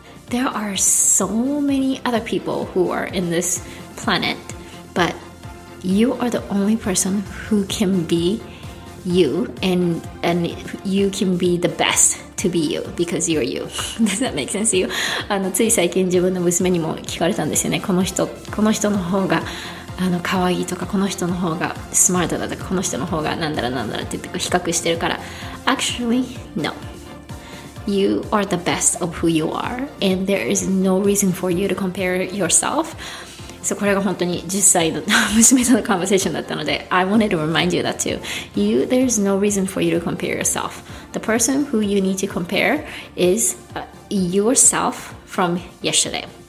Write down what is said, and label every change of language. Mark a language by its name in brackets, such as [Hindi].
[English] There are so many other people who are in this planet, but you are the only person who can be you, and you can be the best to be you because you're you. Does that make sense to you? [Japanese] つい最近自分の娘にも聞かれたんですよね。この人の方が可愛いとか、この人の方がスマートだとか、この人の方がなんだらなんだらって言って比較してるから、 Actually, no. [English] You are the best of who you are, and there is no reason for you to compare yourself. [Japanese] So, これが本当に10歳の娘とのコンバセーションだったので、 I wanted to remind you that too. [English] There is no reason for you to compare yourself. The person who you need to compare is yourself from yesterday.